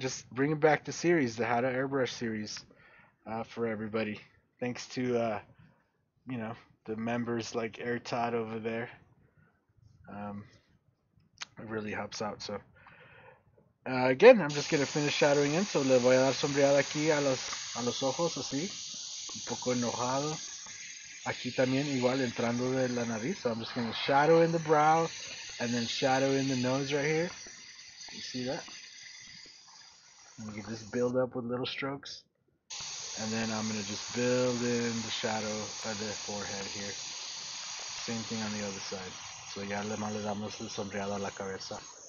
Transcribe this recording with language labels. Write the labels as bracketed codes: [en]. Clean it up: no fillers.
[en] Just bringing back the series, the How to Airbrush series, for everybody. Thanks to, you know, the members like Air Todd over there. It really helps out. So, again, I'm just going to finish shadowing in. [es] So, le voy a dar sombreada aquí a los ojos, así. Un poco enojado. Aquí también igual entrando de la nariz. [en] So I'm just going to shadow in the brow and then shadow in the nose right here. You see that? And you can just build up with little strokes. And then I'm going to just build in the shadow of the forehead here. Same thing on the other side. [es] So ya le más le damos el sombreado a la cabeza.